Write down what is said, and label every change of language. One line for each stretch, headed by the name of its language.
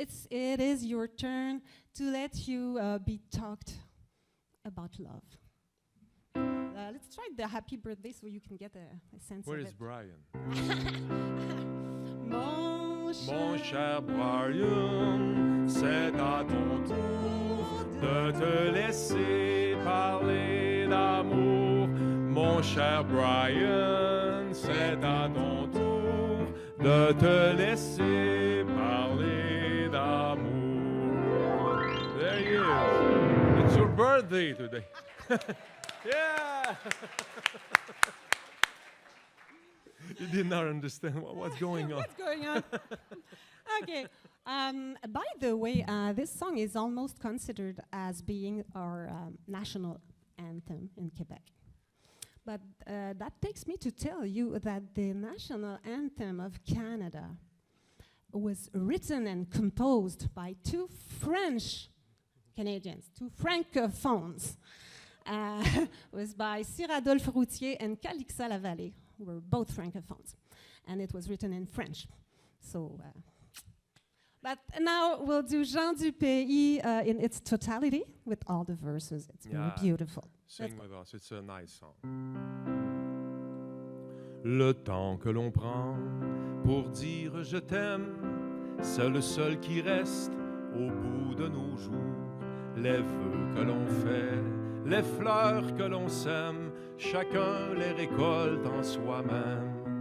English: It is your turn to let you be talked about love. Let's try the happy birthday so you can get a sense Where of it. Where is Brian?
French: Mon cher Brian, c'est à ton tour de te laisser parler d'amour. Mon cher Brian, c'est à ton tour de te laisser parler d'amour.
English: There he is. It's your birthday today. Yeah! You did not understand what's going on. What's going on? Okay. By the way, this song is almost considered as being our national anthem in Quebec. But that takes me to tell you that the national anthem of Canada was written and composed by two French Canadians, two francophones. was by Sir Adolphe Routier and Calixa Lavallée, who were both francophones, and it was written in French. So, but now we'll do Jean du Pays in its totality with all the verses. It's really beautiful. Sing with us. It's a nice song.
French: Le temps que l'on prend pour dire je t'aime, c'est le seul qui reste au bout de nos jours. Les vœux que l'on fait, les fleurs que l'on sème, chacun les récolte en soi-même.